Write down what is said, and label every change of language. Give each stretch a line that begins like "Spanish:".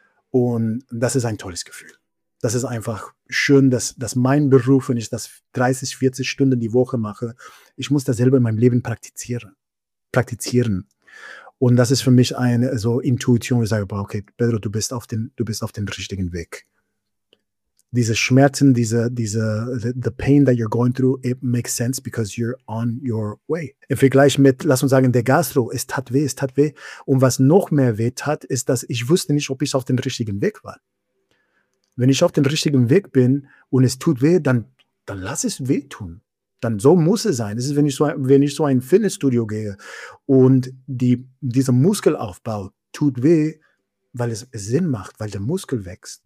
German: Und das ist ein tolles Gefühl. Das ist einfach schön, dass mein Beruf, wenn ich das 30, 40 Stunden die Woche mache, ich muss das selber in meinem Leben praktizieren. Und das ist für mich eine so Intuition, wo ich sage, okay, Pedro, du bist auf dem richtigen Weg. Diese Schmerzen,
English: the pain that you're going through, it makes sense because you're on your way.
German: Im Vergleich mit, lass uns sagen, der Gastro, es tat weh. Und was noch mehr weh tat, ist, dass ich wusste nicht, ob ich auf dem richtigen Weg war. Wenn ich auf dem richtigen Weg bin und es tut weh, dann lass es weh tun. Dann so muss es sein. Das ist, wenn ich so ein Fitnessstudio gehe und dieser Muskelaufbau tut weh, weil es Sinn macht, weil der Muskel wächst.